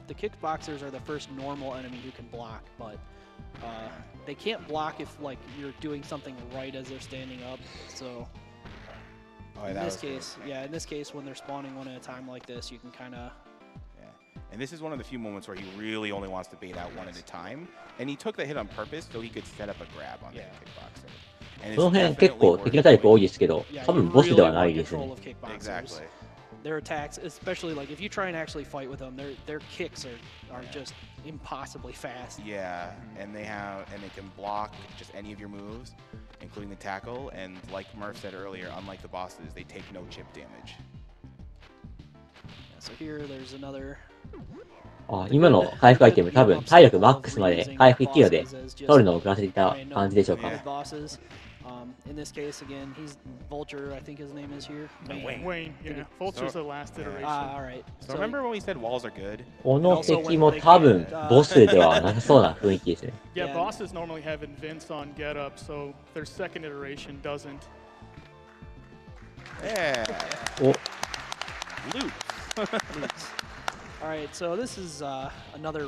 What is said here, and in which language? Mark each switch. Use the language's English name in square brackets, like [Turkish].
[English] The kickboxers are the first normal enemy who can block, but they can't block if like you're doing something right as they're standing up. So in this case, when they're spawning one at a time like this, you can kind of... Yeah. And this is one of the few moments where he really only wants to bait out one at a time. And he took the hit on purpose so he could set up a grab on the kickboxer. And [Japanese] この辺結構敵のタイプ多いですけど、多分ボスではないですね。 [English] Exactly. Their attacks, especially like if you try and actually fight with them, their kicks are just impossibly fast. Yeah, and they can block just any of your moves, including the tackle. And like Murph said earlier, unlike the bosses, they take no chip damage. Yeah, so here there's another. [Japanese] Ah, 今の回復アイテム多分体力マックスまで回復できるので取るのを遅らせていた感じでしょうか。 [English] Yeah. In this case, again, he's Vulture, I think his name is here. Wayne, yeah. Vulture's the last iteration. Ah, all right. So remember when we said walls are good? [Japanese] この敵も多分ボスではなさそうな雰囲気ですね。 [English] Yeah, bosses normally have invents on getup, so their second iteration doesn't. Yeah. Oh. Loops. All right, so this is another